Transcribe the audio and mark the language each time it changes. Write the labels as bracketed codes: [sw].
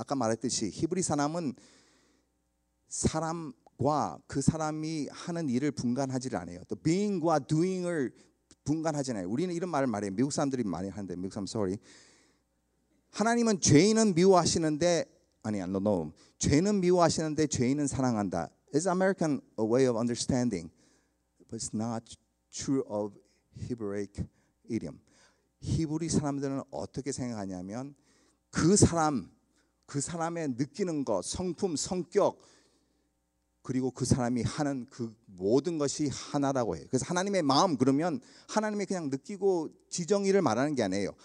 [ko] 아까 말했듯이 히브리 사람은 사람과 그 사람이 하는 일을 분간하지 않아요. 또 being과 doing을 분간하지 않아요. 우리는 이런 말을 말해요. 미국 사람들이 많이 하는데, 미국 사람 sorry. 하나님은 죄인은 미워하시는데 아니야, [en] no, no. [ko] 죄는 미워하시는데 죄인은 사랑한다. [en] It's American a way of understanding, but it's not true of Hebraic idiom. [ko] 히브리 사람들은 어떻게 생각하냐면 그 사람의 느끼는 것, 성품, 성격 그리고 그 사람이 하는 그 모든 것이 하나라고 해요. 그래서 하나님의 마음 그러면 하나님의 그냥 느끼고 지정의를 말하는 게 아니에요.